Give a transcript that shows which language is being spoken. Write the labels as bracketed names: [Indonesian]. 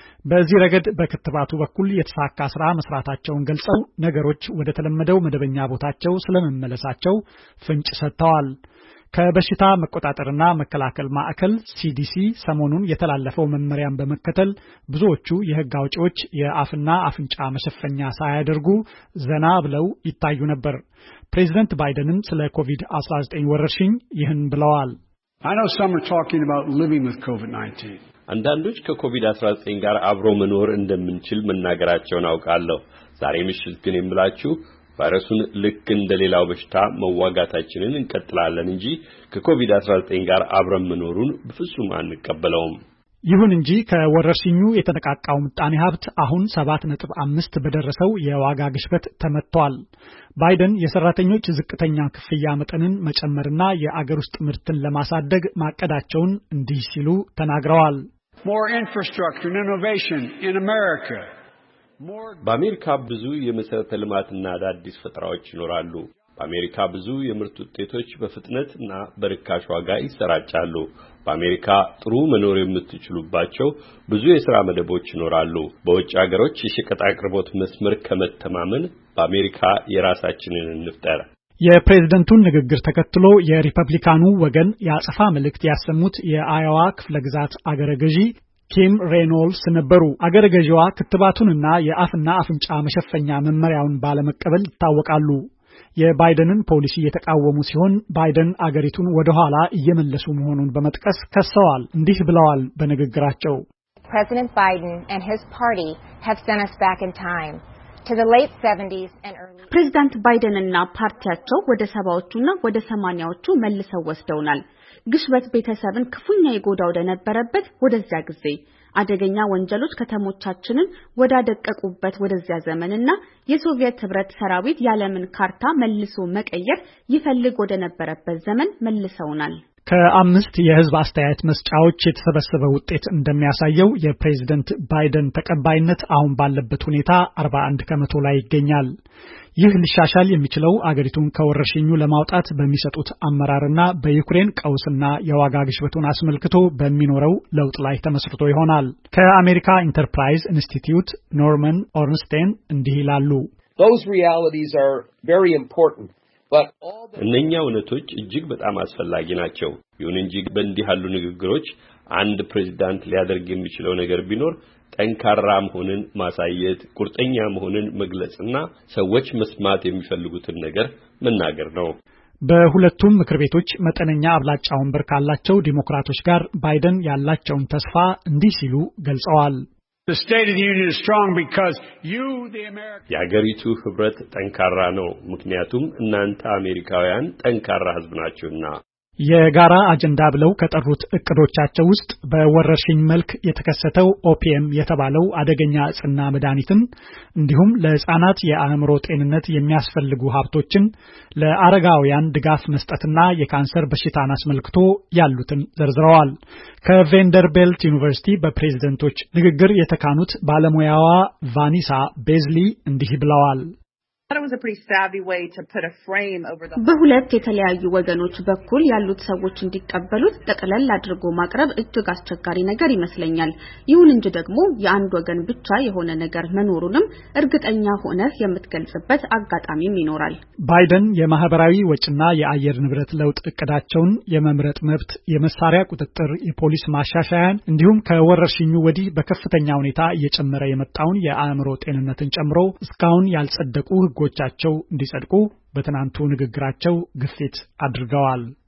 [Amharic] በዚህ ረገድ በክትባቱ በኩል የተሳካ ስራ መስራታቸውን ገልጸው ነገሮች ወደ ተለመደው መደበኛ ቦታቸው ስለመመለሳቸው ፍንጭ ሰጥተዋል። ከበሽታ መቆጣጠርና መከላከል ማዕከል ሲዲሲ ሰሞኑን የተላለፈው መመሪያን በመከተል ብዙዎቹ የሕግ አውጪዎች የአፍና አፍንጫ መሸፈኛ ሳያደርጉ ዘና ብለው ይታዩ ነበር። ፕሬዝደንት ባይደንም ስለ ኮቪድ-19 ወረርሽኝ ይህን ብለዋል። [English] I know some are talking about living with COVID-19. [Amharic] አንዳንዶች ከኮቪድ-19 ጋር አብሮ መኖር እንደምንችል መናገራቸውን አውቃለሁ። ዛሬ ምሽት ግን እንብላችሁ ቫይረሱን ልክ እንደሌላው በሽታ መዋጋታችንን እንቀጥላለን እንጂ ከኮቪድ-19 ጋር አብረን መኖሩን በፍጹም አንቀበለውም። ይሁን እንጂ ከወረርሽኙ የተነቃቃው ምጣኔ ሀብት አሁን 7.5 በደረሰው የዋጋ ግሽበት ተመቷል። ባይደን የሰራተኞች ዝቅተኛ ክፍያ መጠንን መጨመርና የአገር ውስጥ ምርትን ለማሳደግ ማቀዳቸውን እንዲህ ሲሉ ተናግረዋል። [English] More infrastructure and innovation in America. [Amharic] በአሜሪካ ብዙ የመሰረተ ልማትና አዳዲስ ፈጠራዎች ይኖራሉ። በአሜሪካ ብዙ የምርት ውጤቶች በፍጥነትና በርካሽ ዋጋ ይሰራጫሉ። በአሜሪካ ጥሩ መኖር የምትችሉባቸው ብዙ የሥራ መደቦች ይኖራሉ። በውጭ አገሮች የሸቀጥ አቅርቦት መስመር ከመተማመን በአሜሪካ የራሳችንን እንፍጠር። የፕሬዝደንቱን ንግግር ተከትሎ የሪፐብሊካኑ ወገን ያጸፋ መልእክት ያሰሙት የአዮዋ ክፍለ ግዛት አገረ ገዢ ኪም ሬኖልስ ነበሩ። አገረ ገዢዋ ክትባቱንና የአፍና አፍንጫ መሸፈኛ መመሪያውን ባለመቀበል ይታወቃሉ። የባይደንን ፖሊሲ የተቃወሙ ሲሆን ባይደን አገሪቱን ወደ ኋላ እየመለሱ መሆኑን በመጥቀስ ከሰዋል። እንዲህ ብለዋል በንግግራቸው። [English] President Biden and his party have sent us back in time. To the late 70s and early [Amharic] President Biden እና ፓርቲያቸው ወደ 70ዎቹና ወደ 80ዎቹ መልሰው ወስደውናል። ግሽበት ቤተሰብን ክፉኛ ይጎዳው ደነበረበት ወደዚያ ጊዜ አደገኛ ወንጀሎች ከተሞቻችንን ወደ ደቀቁበት ወደዚያ ዘመንና የሶቪየት ህብረት ሰራዊት ያለምን ካርታ መልሶ መቀየር ይፈልግ ወደ ነበረበት ዘመን መልሰውናል። ከአምስት የህዝብ አስተያየት መስጫዎች የተሰበሰበው ውጤት እንደሚያሳየው የፕሬዝደንት ባይደን ተቀባይነት አሁን ባለበት ሁኔታ 41% ላይ ይገኛል። ይህ ሊሻሻል የሚችለው አገሪቱን ከወረርሽኙ ለማውጣት በሚሰጡት አመራርና በዩክሬን ቀውስና የዋጋ ግሽበቱን አስመልክቶ በሚኖረው ለውጥ ላይ ተመስርቶ ይሆናል። ከአሜሪካ ኢንተርፕራይዝ ኢንስቲትዩት ኖርማን ኦርንስቴን እንዲህ ይላሉ። [English] Those realities are very important. [Amharic] እነኛ ወነቶች እጅግ በጣም አስፈላጊ ናቸው። ይሁን እንጂ በእንዲህ ያሉ ንግግሮች አንድ ፕሬዝዳንት ሊያደርግ የሚችለው ነገር ቢኖር ጠንካራ መሆንን ማሳየት፣ ቁርጠኛ መሆንን መግለጽና ሰዎች መስማት የሚፈልጉትን ነገር መናገር ነው። በሁለቱም ምክር ቤቶች መጠነኛ አብላጫ ወንበር ካላቸው ዲሞክራቶች ጋር ባይደን ያላቸውን ተስፋ እንዲህ ሲሉ ገልጸዋል። [English] The state of the union is strong because you the American [Amharic] የአገሪቱ ህብረት ጠንካራ ነው ምክንያቱም እናንተ አሜሪካውያን ጠንካራ ህዝብ ናችሁና። የጋራ አጀንዳ ብለው ከጠሩት እቅዶቻቸው ውስጥ በወረሽኝ መልክ የተከሰተው OPM የተባለው አደገኛ ጽና መድኃኒትን እንዲሁም ለህፃናት የአእምሮ ጤንነት የሚያስፈልጉ ሀብቶችን ለአረጋውያን ድጋፍ መስጠትና የካንሰር በሽታን አስመልክቶ ያሉትን ዘርዝረዋል። ከቬንደርቤልት ዩኒቨርሲቲ በፕሬዝደንቶች ንግግር የተካኑት ባለሙያዋ ቫኒሳ ቤዝሊ እንዲህ ብለዋል። [English] That was a pretty savvy way to put a frame over the [Amharic] በሁለት የተለያዩ ወገኖች በኩል ያሉት ሰዎች እንዲቀበሉት ጠቅለል አድርጎ ማቅረብ እጅግ አስቸጋሪ ነገር ይመስለኛል። ይሁን እንጂ ደግሞ የአንድ ወገን ብቻ የሆነ ነገር መኖሩንም እርግጠኛ ሆነ የምትገልጽበት አጋጣሚም ይኖራል። ባይደን የማህበራዊ ወጭና የአየር ንብረት ለውጥ እቅዳቸውን የመምረጥ መብት የመሳሪያ ቁጥጥር የፖሊስ ማሻሻያን እንዲሁም ከወረርሽኙ ወዲህ በከፍተኛ ሁኔታ እየጨመረ የመጣውን የአእምሮ ጤንነትን ጨምሮ እስካሁን ያልጸደቁ ጎቻቸው እንዲጸድቁ በተናንቱ ንግግራቸው ግፊት አድርገዋል።